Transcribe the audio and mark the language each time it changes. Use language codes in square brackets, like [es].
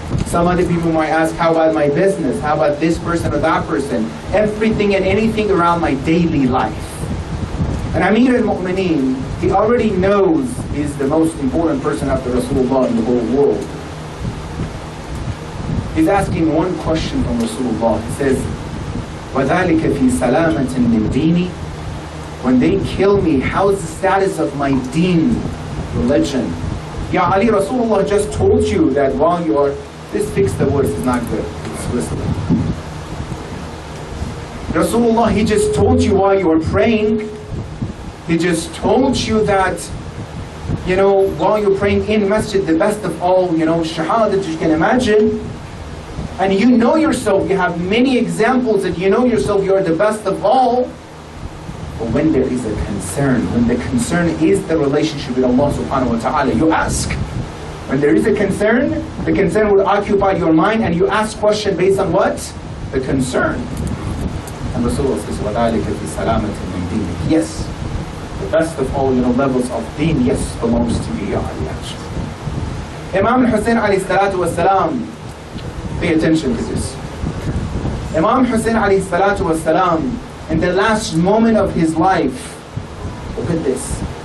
[en] Some other people might ask, how about my business? How about this person or that person? Everything and anything around my daily life. And Amir al-Mu'mineen, he already knows he's the most important person after Rasulullah in the whole world. He's asking one question from Rasulullah. He says, [ar] وَذَلِكَ فِي سَلَامَةٍ مِّن دِينِي. [en] When they kill me, how is the status of my deen, religion? Ya Ali, Rasulullah just told you that while you are... This fix the words is not good. It's whistling. Rasulullah, he just told you while you are praying. He just told you that, you know, while you're praying in masjid, the best of all, you know, shahada that you can imagine. And you know yourself, you have many examples that you know yourself, you are the best of all. But when there is a concern, when the concern is the relationship with Allah subhanahu wa ta'ala, you ask. When there is a concern, the concern would occupy your mind and you ask question based on what? The concern. And Rasulullah says, [ar] وَذَلِكَ فِي سَلَامَةٍ مِنْ دِينِ. [en] Yes. The best of all, you know, levels of deen, yes, belongs to you, Ya Ali, actually. Imam Hussein alayhi salatu wasalam, pay attention to this. Imam Hussein alayhi salatu wasalam, in the last moment of his life, look at this.